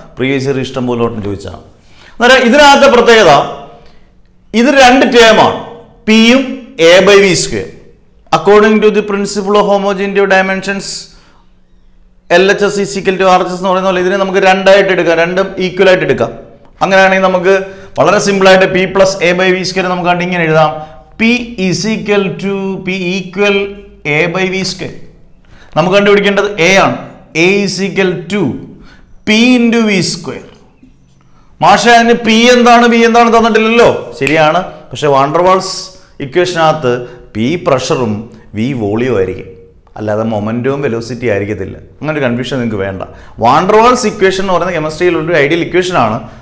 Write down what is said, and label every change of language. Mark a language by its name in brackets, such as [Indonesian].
[Malayalam] Previous year ഇഷ്ടം പോലെ ഓട്ടം ചോദിച്ചതാണ്. എന്നാൽ ഇതിനകത്ത് പ്രത്യേകത, ഇത് രണ്ട് ടേമാണ്, പിയും A by V square. [English] according to the principle of homogeneity of dimensions LHS is equal to RHS [Malayalam] എന്ന് പറയുന്ന പോലെ ഇതിനെ നമുക്ക് രണ്ടായിട്ട് എടുക്കാം, രണ്ടും ഈക്വൽ ആയിട്ട് എടുക്കാം. അങ്ങനെയാണെങ്കിൽ നമുക്ക് വളരെ സിമ്പിൾ ആയിട്ട് P plus A by V square നമുക്ക് അങ്ങനെ ഇങ്ങനെ എഴുതാം. [English] P is equal to P equal A by V square. [Malayalam] നമുക്ക് കണ്ടുപിടിക്കേണ്ടത് A ആണ്. [English] A is equal to P into V square. [Malayalam] മാഷ അതിന് P എന്താണ് V എന്താണ് തന്നിട്ടില്ലല്ലോ. ശരിയാണ്, പക്ഷെ വാണ്ടർവാൾസ് ഇക്വേഷനകത്ത് P പ്രഷറും V വോളിയും ആയിരിക്കും, അല്ലാതെ മൊമെൻറ്റവും വെലോസിറ്റി ആയിരിക്കത്തില്ല. അങ്ങനൊരു കൺഫ്യൂഷൻ നിങ്ങൾക്ക് വേണ്ട. വാണ്ടർവാൾസ് ഇക്വേഷൻ എന്ന് പറയുന്നത് കെമിസ്ട്രിയിലുള്ള ഒരു ഐഡിയൽ ഇക്വേഷൻ ആണ്.